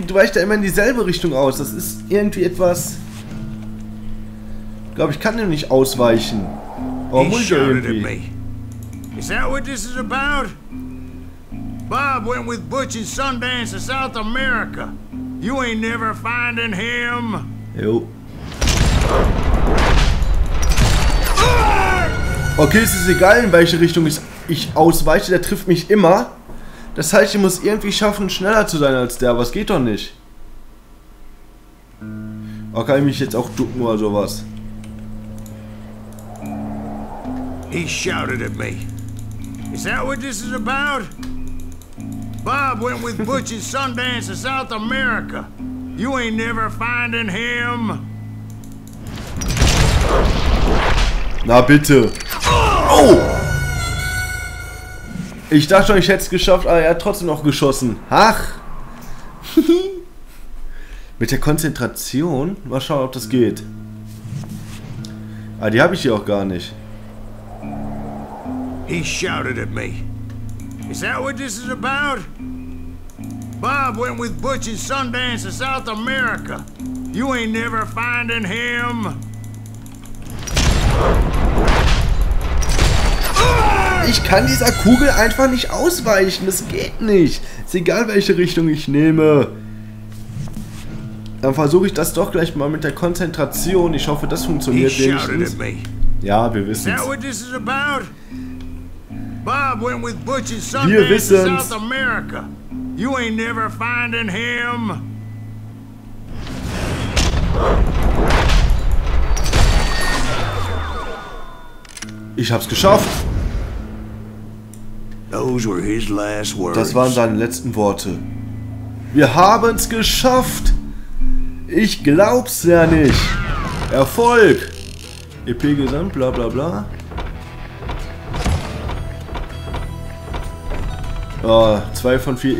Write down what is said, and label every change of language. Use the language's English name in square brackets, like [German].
[German] Du weichst ja immer in dieselbe Richtung aus. Das ist irgendwie etwas... Ich glaube, ich kann dem nicht ausweichen. Warum muss ich ja irgendwie? [English] Is that what this is about? Bob went with Butch and Sundance to South America. You ain't never finding him. [German] Jo. Okay, es ist egal, in welche Richtung ich ausweiche. Der trifft mich immer. Das heißt, ich muss irgendwie schaffen, schneller zu sein als der, aber es geht doch nicht. Oder kann ich mich jetzt auch ducken oder sowas? [English] He shouted at me. Is that what this is about? Bob went with Butch in Sundance to South America. You ain't never finding him. [German] Na bitte. Oh! Ich dachte schon, ich hätte es geschafft, aber er hat trotzdem noch geschossen. Ach! Mit der Konzentration? Mal schauen, ob das geht. Ah, die habe ich hier auch gar nicht. [English] He shouted at me. Is that what this is about? Bob went with Butch in Sundance to South America. You ain't never finding him. [German] Ich kann dieser Kugel einfach nicht ausweichen. Das geht nicht. Ist egal, welche Richtung ich nehme. Dann versuche ich das doch gleich mal mit der Konzentration. Ich hoffe, das funktioniert wenigstens. Ja, wir wissen es. [English] Is that what this is about? Bob went with Butch in Sundance to South America. You ain't never finding him. [German] Ich hab's geschafft. [English] Those were his last words. [German] Das waren seine letzten Worte. Wir haben's geschafft. Ich glaub's ja nicht. Erfolg. EP Gesamt, bla bla bla. Oh, 2 von 4.